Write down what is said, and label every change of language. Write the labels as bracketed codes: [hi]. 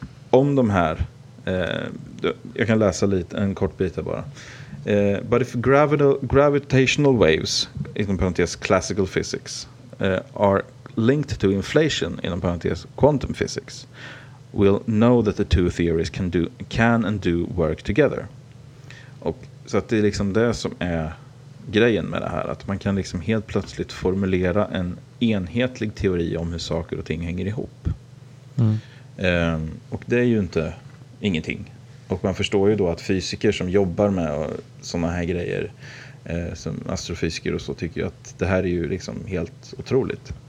[sv] Om de här... jag kan läsa lite en kort bit här bara. [en] But if gravitational waves, [sv] inom parentes [en] classical physics, are linked to inflation, inom parentes quantum physics, we'll know that the two theories can and do work together. [sv] Och så att det är liksom det som är grejen med det här, att man kan liksom helt plötsligt formulera en enhetlig teori om hur saker och ting hänger ihop. Och det är ju inte ingenting. Och man förstår ju då att fysiker som jobbar med såna här grejer, som astrofysiker och så, tycker ju att det här är ju liksom helt otroligt.